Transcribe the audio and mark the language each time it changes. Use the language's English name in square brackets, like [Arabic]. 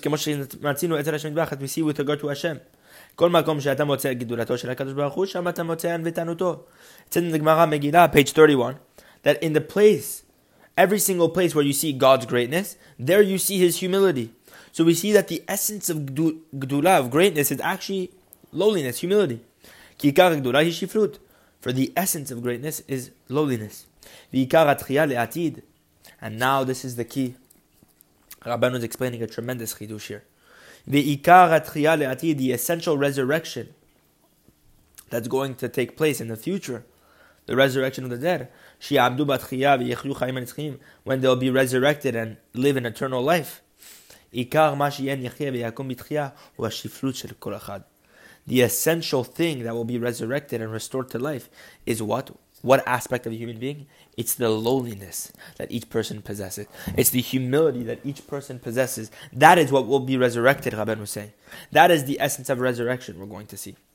[Hebrew] כמו שמצינו אצל השם נדבחת, [English] we see with regard to Hashem. [Hebrew] כל מקום שאתה מוצא גדולתו של הקדוש ברוך הוא, שם אתה מוצא ענוותנותו. [English] It's in the Gemara Megillah, page 31, that in the place, every single place where you see God's greatness, there you see his humility. So we see that the essence of גדולה, of greatness, is actually lowliness, humility. [Hebrew] כי עיקר הגדולה היא שפלות. [English] For the essence of greatness is lowliness. [Hebrew] ועיקר התחייה לעתיד. [English] And now this is the key. Rabbeinu is explaining a tremendous חידוש here. [Hebrew] ועיקר התחייה לעתיד, [English] the essential resurrection that's going to take place in the future. The resurrection of the dead. [Hebrew] שיעמדו בתחייה ויחיו חיים הנצחיים. [English] When they'll be resurrected and live an eternal life. [Hebrew] עיקר מה שיהן יחיה ויקום בתחייה הוא השפלות של כל אחד. [English] The essential thing that will be resurrected and restored to life is what? What aspect of a human being? It's the lowliness that each person possesses. It's the humility that each person possesses. That is what will be resurrected, Rabbeinu was saying. That is the essence of resurrection we're going to see.